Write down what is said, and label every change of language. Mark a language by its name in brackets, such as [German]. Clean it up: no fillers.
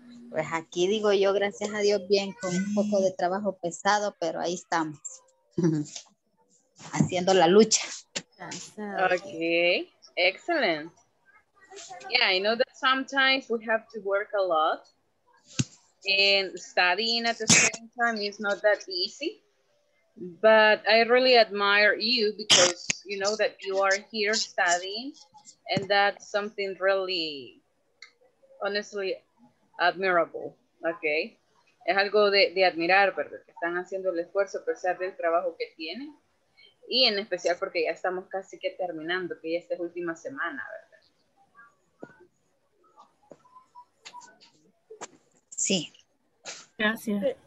[Spanish] Pues aquí digo yo, gracias a Dios, bien, con un poco de trabajo pesado, pero ahí estamos, haciendo la lucha. [English] Okay, excellent. Yeah, I know that sometimes we have to work a lot, and studying at the same time is not that easy. But I really admire you because you know that you are here studying, and that's something really, honestly, admirable. [Spanish] Okay, es algo de admirar, ¿verdad? Que están haciendo el esfuerzo a pesar del trabajo que tienen, y en especial porque ya estamos casi que terminando, que ya esta es última semana, ¿verdad? Sí. Gracias.